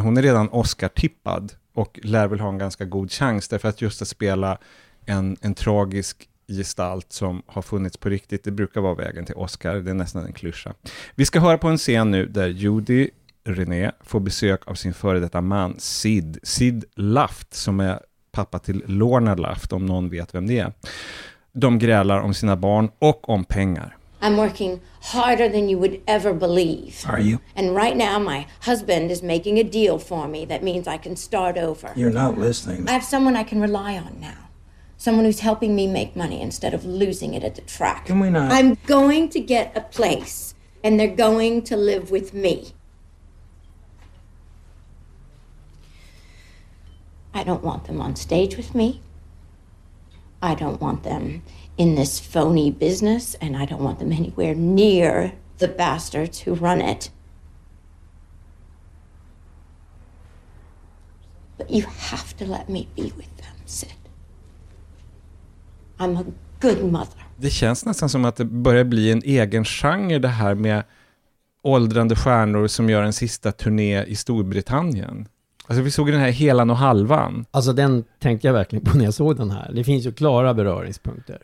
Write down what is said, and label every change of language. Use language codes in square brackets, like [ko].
[sv] Hon är redan Oscar-tippad och lär väl ha en ganska god chans därför att just att spela en tragisk gestalt som har funnits på riktigt, det brukar vara vägen till Oscar, det är nästan en klyscha. Vi ska höra på en scen nu där Judy René får besök av sin före detta man Sid Luft, som är pappa till Lorna Luft, om någon vet vem det är. De grälar om sina barn och om pengar. [en] I'm working harder than you would ever believe. Are you? And right now my husband is making a deal for me that means I can start over. You're not listening. I have someone I can rely on now. Someone who's helping me make money instead of losing it at the track. Can we not? I'm going to get a place, and they're going to live with me. I don't want them on stage with me. I don't want them in this phony business, and I don't want them anywhere near the bastards who run it. But you have to let me be with them, Sid. I'm a good mother. [sv] Det känns nästan som att det börjar bli en egen genre, det här med åldrande stjärnor som gör en sista turné i Storbritannien. Alltså vi såg den här Helan och Halvan. Alltså den tänkte jag verkligen på när jag såg den här. Det finns ju klara beröringspunkter.